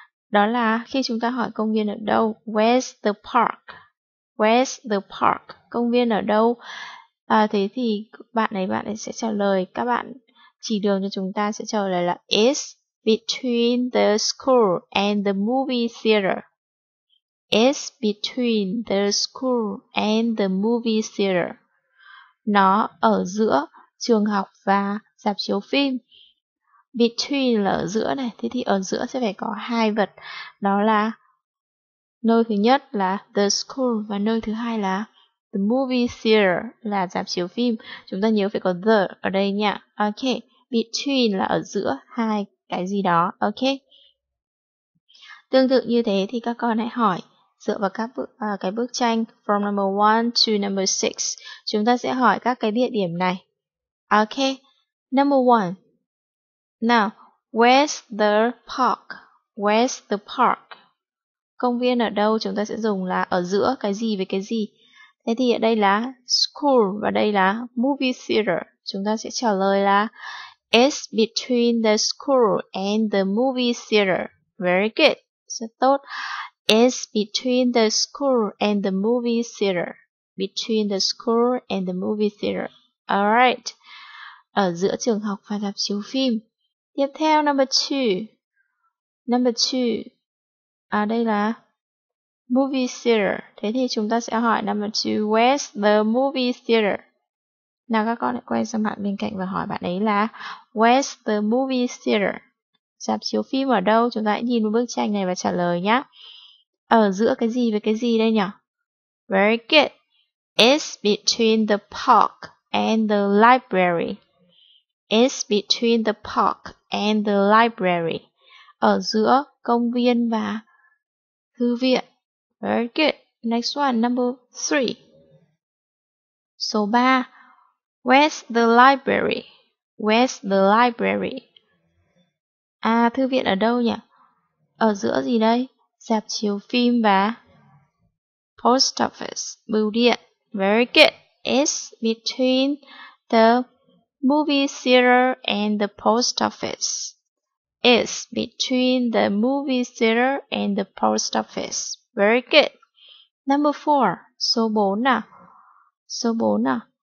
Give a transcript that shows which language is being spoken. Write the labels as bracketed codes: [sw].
[vi] Đó là khi chúng ta hỏi công viên ở đâu, [en] where's the park? Where's the park? [vi] Công viên ở đâu? Thế thì bạn ấy sẽ trả lời, các bạn chỉ đường cho chúng ta sẽ trả lời là [en] is between the school and the movie theater. It's between the school and the movie theater. [vi] Nó ở giữa trường học và rạp chiếu phim. Between là ở giữa này. Thế thì ở giữa sẽ phải có hai vật. Đó là nơi thứ nhất là the school và nơi thứ hai là the movie theater là rạp chiếu phim. Chúng ta nhớ phải có the ở đây nha. Ok. Between là ở giữa hai cái gì đó, ok. Tương tự như thế thì các con hãy hỏi dựa vào các cái bức tranh [en] from number 1 to number 6. [vi] Chúng ta sẽ hỏi các cái địa điểm này. [en] Ok. Number 1. Now, where's the park? Where's the park? [vi] Công viên ở đâu? Chúng ta sẽ dùng là ở giữa cái gì với cái gì. Thế thì ở đây là school và đây là movie theater. Chúng ta sẽ trả lời là [en] it's between the school and the movie theater. Very good. [vi] Rất tốt. [en] It's between the school and the movie theater. Between the school and the movie theater. Alright. [vi] Ở giữa trường học và rạp chiếu phim. Tiếp theo, [en] number 2. [vi] Number 2. Đây là movie theater. Thế thì chúng ta sẽ hỏi number 2. [en] Where's the movie theater? [vi] Nào các con hãy quay sang bạn bên cạnh và hỏi bạn ấy là [en] where's the movie theater? [vi] Rạp chiếu phim ở đâu? Chúng ta hãy nhìn một bức tranh này và trả lời nhé. Ở giữa cái gì với cái gì đây nhỉ? [en] Very good. It's between the park and the library. It's between the park and the library. [vi] Ở giữa công viên và thư viện. [en] Very good. Next one, number 3. [vi] Số 3. [en] Where's the library? Where's the library? [vi] Thư viện ở đâu nhỉ? Ở giữa gì đây? Rạp chiếu phim và post office, bưu điện. [en] Very good. It's between the movie theater and the post office. It's between the movie theater and the post office. Very good. Number 4. [vi] Số 4 nào. Số 4 nào.